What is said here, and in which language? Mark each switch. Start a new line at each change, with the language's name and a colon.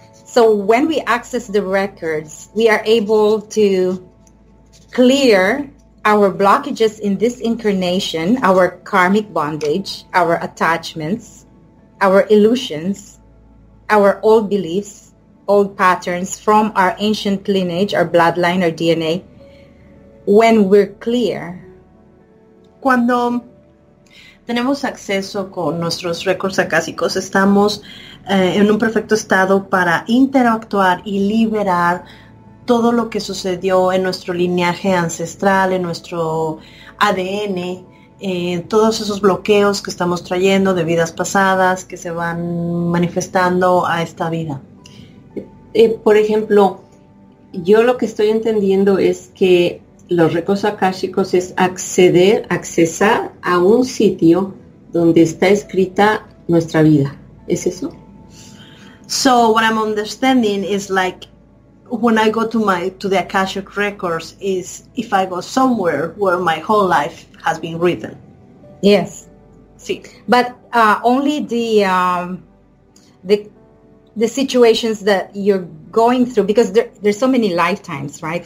English: So when we access the records, we are able to clear our blockages in this incarnation, our karmic bondage, our attachments, our illusions, our old beliefs, old patterns from our ancient lineage, our bloodline, our DNA, when we're clear.
Spanish: Cuando tenemos acceso con nuestros récords akáshicos, estamos en un perfecto estado para interactuar y liberar todo lo que sucedió en nuestro linaje ancestral, en nuestro ADN, todos esos bloqueos que estamos trayendo de vidas pasadas que se van manifestando a esta vida. Por ejemplo, yo lo que estoy entendiendo es que los récords akáshicos es accesar a un sitio donde está escrita nuestra vida. ¿Es eso?
English: So what I'm understanding is like, when I go to the Akashic records, is if I go somewhere where my whole life has been written. Yes.
Spanish: Sí.
English: But only the situations that you're going through, because there's so many lifetimes, right?